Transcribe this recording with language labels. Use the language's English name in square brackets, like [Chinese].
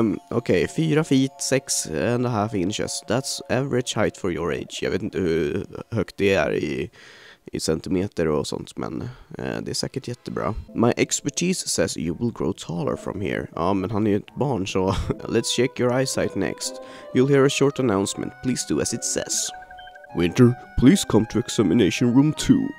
[English] Okej, 4 feet, 6.5 inches. That's average height for your age. [Swedish] Jag vet inte hur högt det är i centimeter och sånt, men det är säkert jättebra. [English] My expertise says you will grow taller from here. [Swedish] Ja, men han är ju ett barn, så [English] let's check your eyesight next. You'll hear a short announcement. Please do as it says. Winter, please come to examination room 2.